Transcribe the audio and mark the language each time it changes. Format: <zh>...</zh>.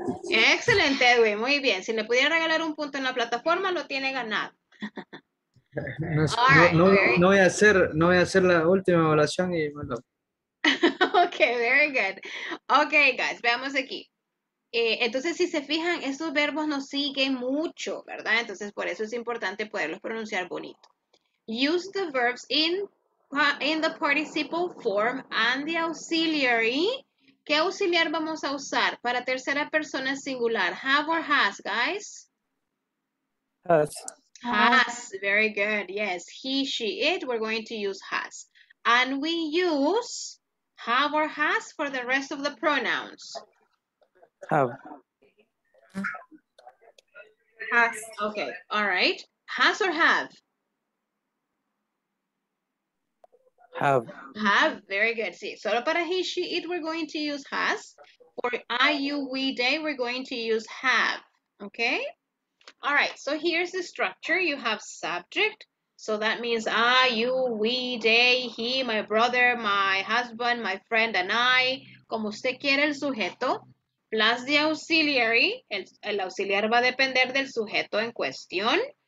<es>Excelente, Edwin. Muy bien. Si le pudiera regalar un punto en la plataforma, lo tiene ganado. No voy a hacer la última evaluación y bueno.</es> <en>Ok, very good. Ok, guys,</en> <es>veamos aquí. Entonces, si se fijan, estos verbos nos siguen mucho, ¿verdad? Entonces, por eso es importante poderlos pronunciar bonito.</es> <en>Use the verbs in the participle form and the auxiliary.</en> <es>¿Qué auxiliar vamos a usar para tercera persona singular?</es> <en>Have or has, guys? Has. Has, very good. Yes, he, she, it, we're going to use has. And we use have or has for the rest of the pronouns? Have. Has. Okay, all right. Has or have? Have. Have, very good.</en> <es>Sí, solo para</es> <en>he, she, it, we're going to use has. For I, you, we, they, we're going to use have. Okay? All right, so here's the structure. You have subject. So that means I, you, we, they, he, my brother, my husband, my friend, and I.</en> <es>Como usted quiere el sujeto,</es> <en>plus the auxiliary.</en> <es>El auxiliar va a depender del sujeto en cuestión.</es>